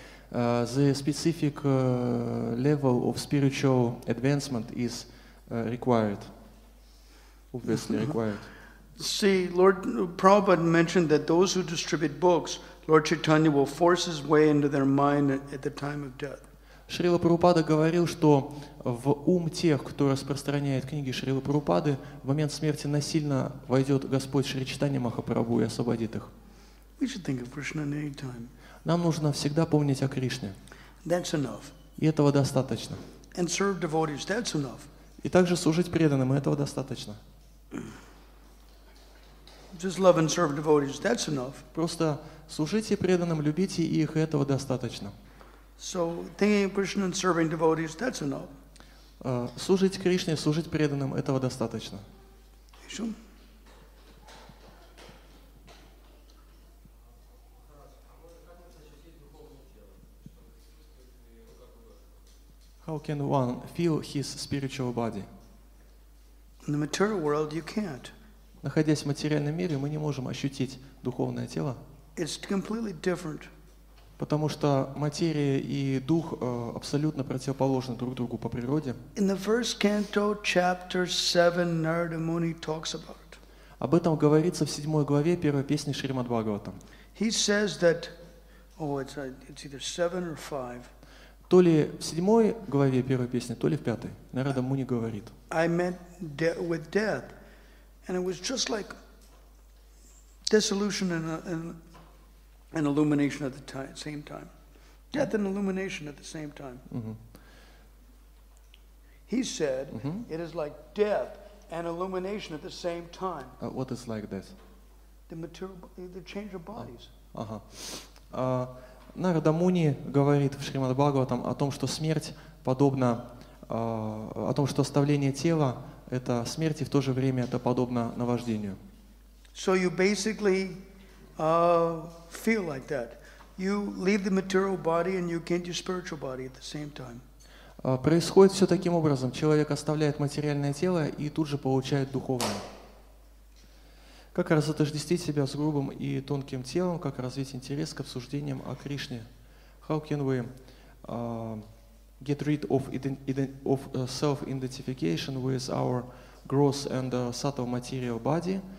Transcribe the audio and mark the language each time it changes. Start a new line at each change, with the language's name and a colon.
English: The specific level of spiritual advancement is required, obviously required. See, Lord Prabhupada mentioned that those who distribute books, Lord Chaitanya will force his way into their mind at the time of death.
Russian: Шрила Прабхупада говорил, что в ум тех, кто распространяет книги Шрилы Прабхупады, в момент смерти насильно войдет Господь Шри Чайтанья Махапрабху и освободит их.
English: We should think of Krishna at any time.
Russian: Нам нужно всегда помнить о Кришне.
English: That's enough.
Russian: И этого достаточно.
English: And serve devotees, that's enough.
Russian: И также служить преданным, и этого достаточно.
English: Just love and serve devotees, that's enough.
Russian: Просто служите преданным, любите их, и этого достаточно.
English: So, thinking of Krishna and serving devotees, that's enough.
Russian: Служить Кришне, служить преданным, этого достаточно. Еще?
English: How can one feel his spiritual body? In the material world, you can't.
Russian: Находясь в материальном мире, мы не можем ощутить духовное тело.
English: It's completely different.
Russian: Потому что материя и дух абсолютно противоположны друг другу по природе.
English: In the first canto, chapter 7, Narada Muni talks about it.
Russian: Об этом говорится в 7 главе первой песни Шримад Бхагаватам.
English: He says that, oh, it's either 7 or 5.
Russian: То ли в 7 главе первой песни, то ли в 5. Нарада Муни говорит.
English: I met with death, and it was just like dissolution and illumination at the same time. Death and illumination at the same time. He said, it is like death and illumination at the same time. What is like this? The material, the change of bodies.
Russian: Нарада Муни говорит в Шримад Бхагаватам о том, что смерть подобна, о том, что оставление тела — это смерть, и в то же время это подобно наваждению.
English: So you basically feel like that. You leave the material body and you get your spiritual body at the same time.
Russian: Происходит все таким образом. Человек оставляет материальное тело и тут же получает духовное. Как разотождествить себя с грубым и тонким телом? Как развить интерес к обсуждениям о Кришне?
English: How can we get rid of, of self-identification with our gross and subtle material body?